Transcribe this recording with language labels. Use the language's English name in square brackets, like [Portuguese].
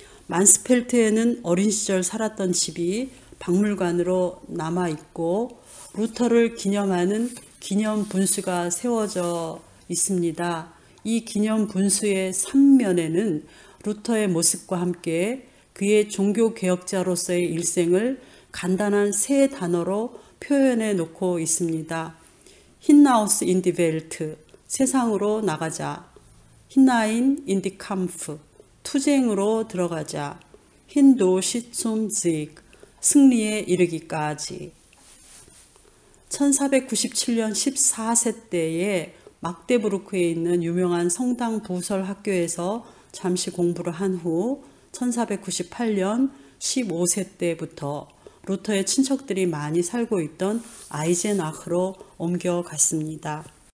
[Korean] 만스펠트에는 어린 시절 살았던 집이 박물관으로 남아 있고, 루터를 기념하는 기념 분수가 세워져 있습니다. 이 기념 분수의 3면에는 루터의 모습과 함께 그의 종교개혁자로서의 일생을 간단한 세 단어로 표현해 놓고 있습니다. [German] Hinaus in die Welt, [Korean] 세상으로 나가자. [German] Hinein in die Kampf, [Korean] 투쟁으로 들어가자. [German] Hindurch zum Sieg, [Korean] 승리에 이르기까지. 1497년 14세 때에 막데부르크에 있는 유명한 성당 부설 학교에서 잠시 공부를 한후 1498년 15세 때부터 루터의 친척들이 많이 살고 있던 아이젠아흐로 옮겨갔습니다.